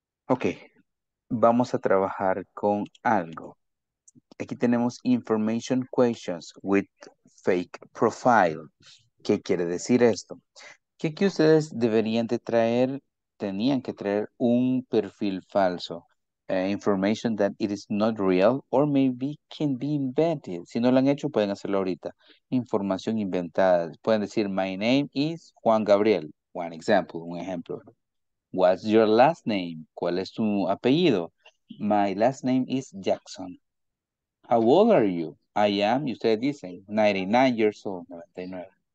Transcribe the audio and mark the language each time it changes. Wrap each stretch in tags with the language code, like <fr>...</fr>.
<es>Ok, vamos a trabajar con algo. Aquí tenemos</es> <en>information questions with fake profile.</en> <es>¿Qué quiere decir esto? Que aquí ustedes deberían de traer, tenían que traer un perfil falso.</es> <en>Information that it is not real or maybe can be invented.</en> <es>Si no lo han hecho, pueden hacerlo ahorita. Información inventada. Pueden decir,</es> <en>my name is</en> <es>Juan Gabriel.</es> <en>One example,</en> <es>un ejemplo.</es> <en>What's your last name?</en> <es>¿Cuál es tu apellido?</es> <en>My last name is Jackson. How old are you? I am,</en> <es>y ustedes dicen,</es> <en>99 years old, 99.</en>